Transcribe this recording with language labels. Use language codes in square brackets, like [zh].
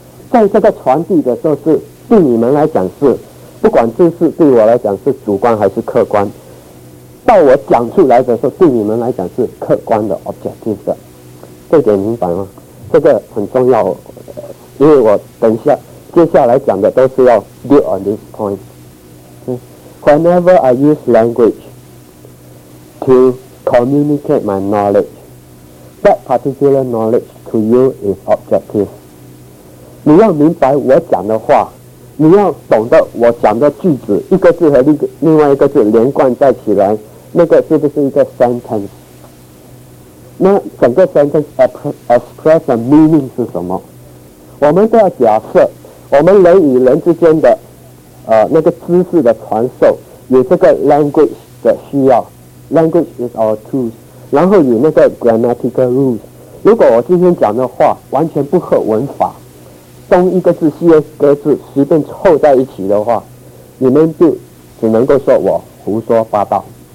[zh] 在这个传递的时候，是对你们来讲是，不管这是对我来讲是主观还是客观，到我讲出来的时候，对你们来讲是客观的 objective 的，这点明白吗？这个很重要，因为我等一下接下来讲的都是要 [en] build on this point。 Whenever I use language to communicate my knowledge, that particular knowledge to you is objective. [zh] 你要明白我讲的话，你要懂得我讲的句子，一个字和另外一个字连贯在起来，那个是不是一个 sentence？那整个 [en] sentence express a meaning [zh] 是什么？我们都要假设，我们人与人之间的那个知识的传授有这个 language 的需要， [en] language is our tools， [zh] 然后有那个 [en] grammatical rules。 [zh] 如果我今天讲的话完全不合文法，东一个字西一个字随便凑在一起的话，你们就只能够说我胡说八道。